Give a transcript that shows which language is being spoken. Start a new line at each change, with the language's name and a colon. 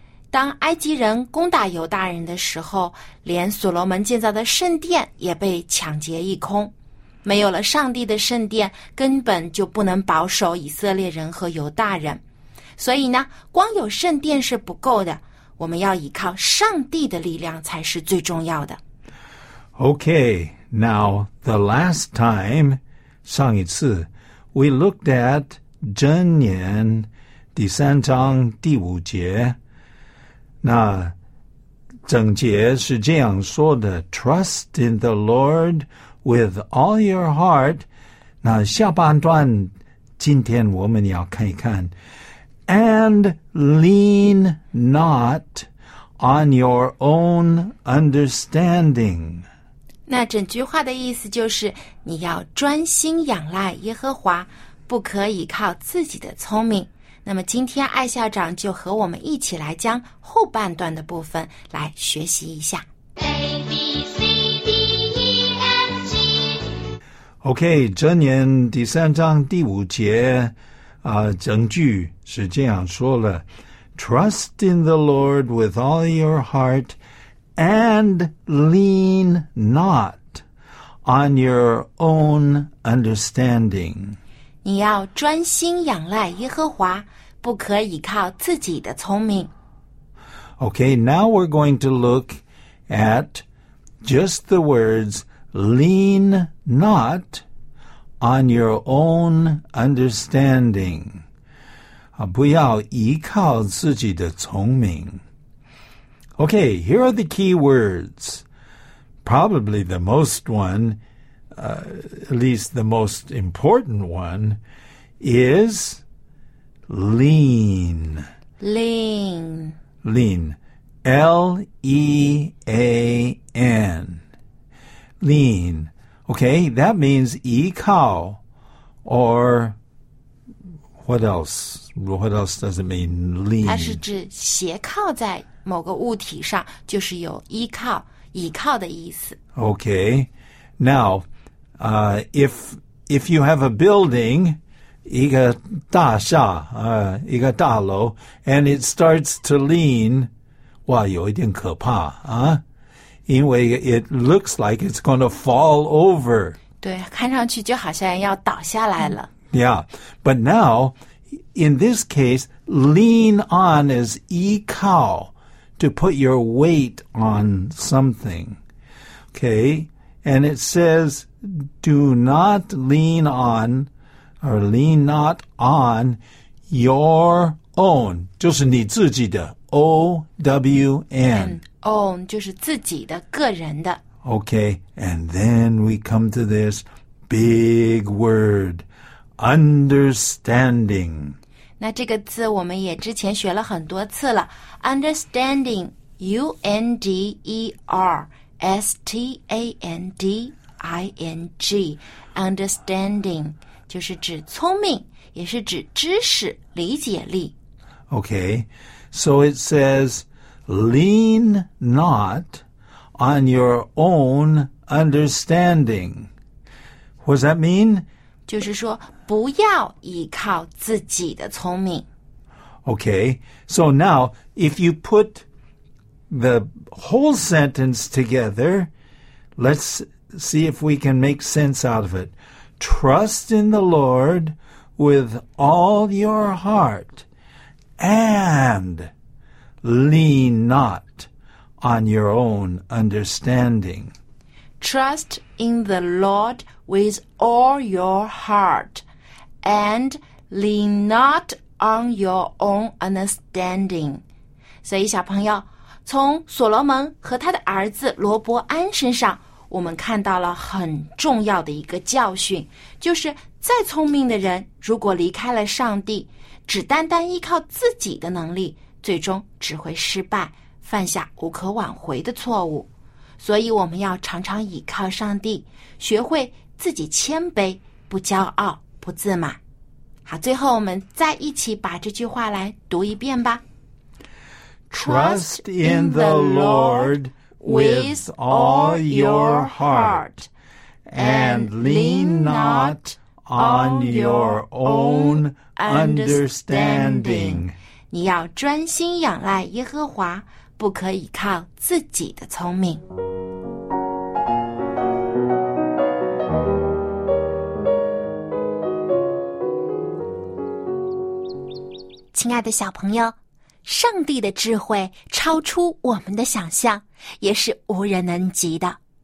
Chinese: 当埃及人攻打犹大人的时候，连所罗门建造的圣殿也被抢劫一空。没有了上帝的圣殿，根本就不能保守以色列人和犹大人。所以呢，光有圣殿是不够的，我们要依靠上帝的力量才是最重要的。
English: Okay, now the last time,
Chinese: 上一次
English: we looked at
Chinese: 箴言第三章第五节。那整节是这样说的
English: ,Trust in the Lord with all your heart.
Chinese: 那下半段今天我们要看一看。
English: And lean not on your own understanding.
Chinese: 那整句话的意思就是你要专心仰赖耶和华，不可以靠自己的聪明。那么今天艾校长就和我们一起来将后半段的部分来学习一下。
English: ABCDEFG OK,
Chinese: 箴言第三章第五节整句是这样说了，
English: Trust in the Lord with all your heartAnd lean not on your own understanding.
Chinese: 你要专心仰赖耶和华，不可以靠自己的聪明。
English: Okay, now we're going to look at just the words lean not on your own understanding.
Chinese: 不要依靠自己的聪明。
English: Okay, here are the key words. Probably the most one, at least the most important one, is lean. Lean. Lean. L-E-A-N. Lean. Okay, that means
Chinese: 依靠
English: or what else? What else does it mean? Lean.
Chinese: 它是指斜靠在某个物体上，就是有依靠、倚靠的意思。
English: Okay, now, if you have a building,
Chinese: 一个大厦，一个大楼
English: ，and it starts to lean,
Chinese: 哇，有一点可怕啊，因为
English: it looks like it's going to fall over.
Chinese: 对，看上去就好像要倒下来了。
English: Yeah, but now, in this case, lean on is
Chinese: 依靠。
English: To put your weight on something. Okay. And it says, do not lean on, or lean not on your own.
Chinese: 就是你自己的 O-W-N. Own 就是自己的个人的。
English: Okay. And then we come to this big word, understanding.
Chinese: 那这个字我们也之前学了很多次了 ,
English: understanding, U-N-D-E-R-S-T-A-N-D-I-N-G, understanding,
Chinese: 就是指聪明，也是指知识、理解力。
English: Okay, So it says, lean not on your own understanding. What does that mean?
Chinese: 就是说不要依靠自己的聪明。
English: Okay, so now if you put the whole sentence together, let's see if we can make sense out of it. Trust in the Lord with all your heart and lean not on your own understanding. Trust in the Lord with all your heart and lean not on your own understanding.
Chinese: 所以小朋友，从所罗门和他的儿子罗伯安身上，我们看到了很重要的一个教训，就是再聪明的人，如果离开了上帝，只单单依靠自己的能力，最终只会失败，犯下无可挽回的错误。所以我们要常常倚靠上帝，学会自己谦卑，不骄傲，不自满。好，最后我们再一起把这句话来读一遍吧。
English: Trust in the Lord with all your heart and lean not on your own understanding.
Chinese: 你要专心仰赖耶和华，不可依靠自己的聪明。亲爱的小朋友，上帝的智慧超出我们的想象，也是无人能及的。